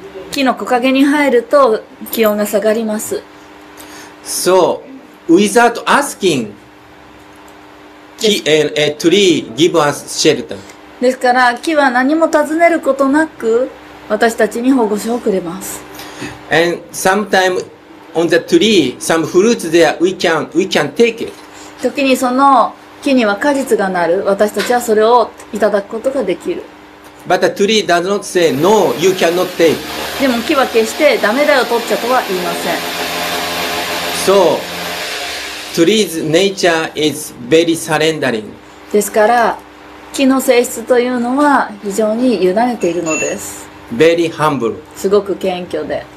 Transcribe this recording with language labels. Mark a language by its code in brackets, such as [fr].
[ja] 木の木陰に入ると気温が下がります。 [en] So, without asking, tree give us shelter. [ja] ですから木は何も尋ねることなく私たちに保護所をくれます。 [en] And sometimes on the tree some fruits there we can take it. [ja] 時にその木には果実がなる、私たちはそれをいただくことができる。 [en] But the tree does not say no, you cannot take. [ja] でも木は決してダメだよ取っちゃとは言いません。 [en] So tree's nature is very surrendering. [ja] ですから木の性質というのは非常に委ねているのです。 [en] Very humble. [ja] すごく謙虚で。